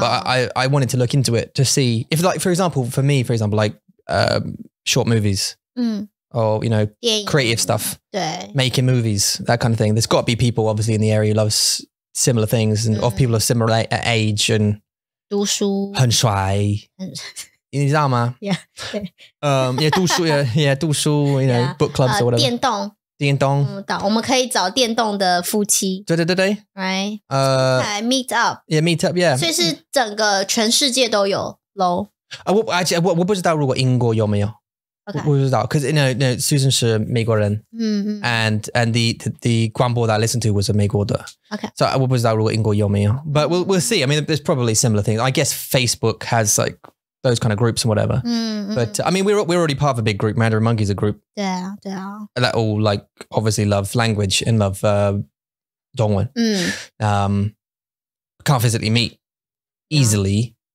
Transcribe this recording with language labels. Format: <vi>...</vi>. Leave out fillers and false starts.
<en>But I wanted to look into it to see if like, for example, for me, for example, like short movies or, you know, creative stuff, making movies, that kind of thing. There's got to be people obviously in the area who loves similar things and of people of similar age and</en> <zh>读书很帅你知道吗?</zh> <en>Yeah, 读书, yeah, 读书, you know, yeah, book clubs or whatever.</en> <zh>电动。电动。我们可以找电动的夫妻。对对对对。</zh> <en>Right. Meet up. Yeah, meet up, yeah.</en> <zh>所以是整个全世界都有咯。我不知道如果英国有没有。</zh> <en>Okay.</en> <zh>我不知道。</zh> <en>Because, you know, no, Susan</en> <zh>是美国人。</zh> <en>And the 广播 that I listened to was</en> <zh>美国的。</zh> <en>Okay.</en> <zh>So 我不知道如果英国有没有。</zh> <en>But we'll see. I mean, there's probably similar things. I guess Facebook has like,those kind of groups and whatever. But I mean, we're already part of a big group. Mandarin Monkey is a group. Yeah, yeah. That all like, obviously love language and love Dongwen. Can't physically meet easily.</en>